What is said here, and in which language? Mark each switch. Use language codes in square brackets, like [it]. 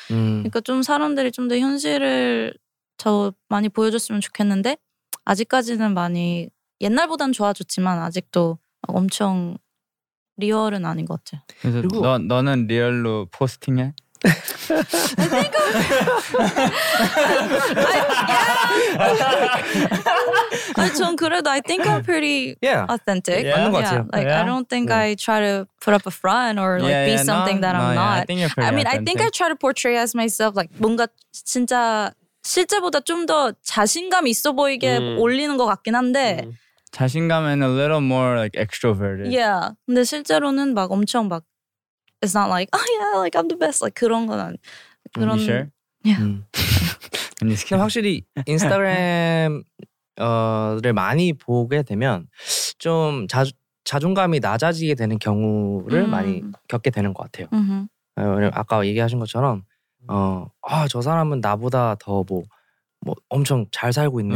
[ko] 그러니까 좀 사람들이 좀 더 현실을 더 많이 보여줬으면 좋겠는데 아직까지는 많이 옛날보단 좋아졌지만 아직도 막 엄청 리얼은 아닌 것 같아. 그래서 그리고 너는 리얼로 포스팅해? [en] I think I'm 그래도 I think I'm pretty authentic. [ko] 맞는 것 같아요. [en] Like I don't think I try to put up a front or like be something that I'm not. I mean I think I try to portray as myself. [ko] Like 뭔가 진짜 실제보다 좀 더 자신감 있어 보이게 올리는 것 같긴 한데. [en] 자신감은 a little more like extroverted. Yeah. [ko] 근데 실제로는 막 엄청 막 [en] it's not like oh yeah like I'm the best like [ko] 그런 건 아니. 그런 [en] Are you sure? Yeah. [ko] 근데 확실히 인스타그램을 많이 보게 되면 좀 자존감이 낮아지게 되는 경우를 많이 겪게 되는 것 같아요. 아까 얘기하신 것처럼 저 사람은 나보다 더 뭐 뭐 엄청 잘 살고 있네.